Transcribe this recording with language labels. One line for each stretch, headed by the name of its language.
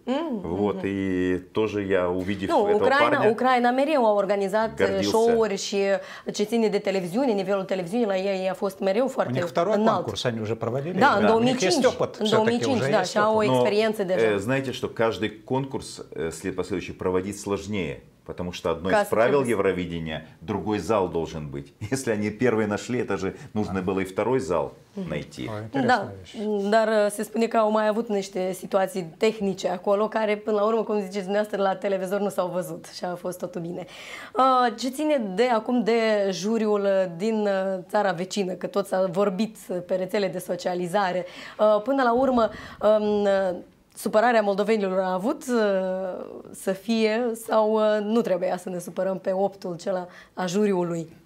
Russian: Вот, и тоже я, увидев этого Украина, парня,
Romanian: Украина мереу a organizat show-uri și chestii de televiziune, nivelul televiziunii la ei a fost mereu foarte înalt. У них второй конкурс они уже проводили. Да, în 2005, și au experiență deja.
Russian: Знаете, что каждый конкурс последующий проводить сложнее, потому что одно из правил Евровидения, другой зал должен быть. Если они первый нашли, это же нужно было и второй зал найти.
Romanian: Да, dar se spune că au mai avut niște situații tehnice acolo, care până la urmă, cum ziceți dumneavoastră, la televizor nu s-au văzut și a fost totul bine. Ce ține de acum de juriul din țara vecină, că tot s-a vorbit pe rețele de socializare, până la urmă supărarea moldovenilor a avut să fie sau nu trebuia să ne supărăm pe optul cel a juriului?